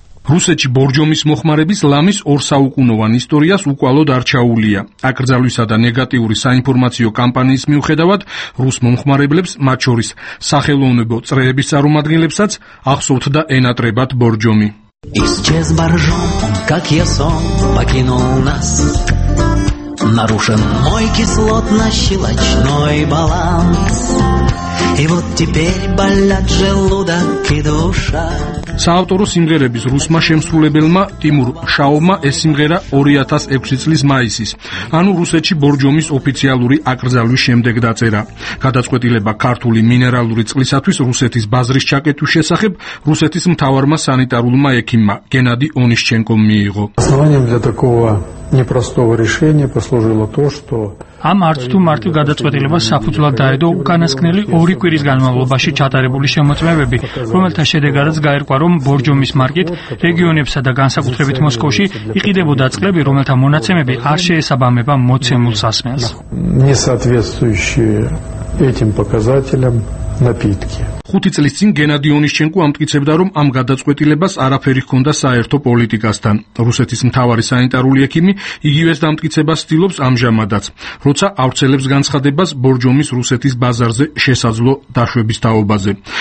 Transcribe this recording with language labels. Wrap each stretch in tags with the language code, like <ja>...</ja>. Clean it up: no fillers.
<ka>რუსეთში ბორჯომის მოხმარების ლამის ორსაუკუნოვან ისტორიას უკვალოდ არჩაულია. აკრძალვისა და ნეგატიური საინფორმაციო კამპანიის მიუხედავად, რუს მომხმარებლებს, მათ შორის სახელოვნებო წრეების წარმომადგენლებსაც, ახსოვთ და ენატრებათ ბორჯომი.</ka> <ru>Исчез боржом, как я сон покинул нас. Нарушен мой кислотно-щелочной баланс. И вот теперь болят желудок и душа.</ru> <ka>საავტორო სიმღერების რუსმა შემსრულებელმა ტიმურ შაოვმა ეს სიმღერა 2006 წლის მაისის, ანუ რუსეთში ბორჯომის ოფიციალური აკრძალვის შემდეგ დაწერა. გადაწყვეტილება ქართული მინერალური წყლისათვის რუსეთის ბაზრის ჩაკეტვის შესახებ რუსეთის მთავარმა სანიტარულმა ექიმმა გენადი ონიშჩენკომ მიიღო.</ka> <ru>Непростого решения послужило то, что</ru> <ka>ამ არც თუ მარტო გადაწყვეტილება საფუძვლად დაედო უკანასკნელი ორი კვირის განმავლობაში ჩატარებული შემოწმებები, რომელთა შედეგადაც გაირკვა, რომ ბორჯომის მარკეტ რეგიონებსა და განსაკუთრებით მოსკოვში იყიდებოდა წყლები, რომელთა მონაცემები არ შეესაბამება მოცემულ სასმელს.</ka> <ru>Не соответствующие этим показателям напитки.</ru> <ka>ხუთი წლის წინ გენადი ონიშჩენკო ამტკიცებდა, რომ ამ გადაწყვეტილებას არაფერი ჰქონდა საერთო პოლიტიკასთან. რუსეთის მთავარი სანიტარული ექიმი იგივეს დამტკიცებას ცდილობს ამჟამადაც, როცა ავრცელებს განცხადებას ბორჯომის რუსეთის ბაზარზე შესაძლო დაშვების თაობაზე.</ka>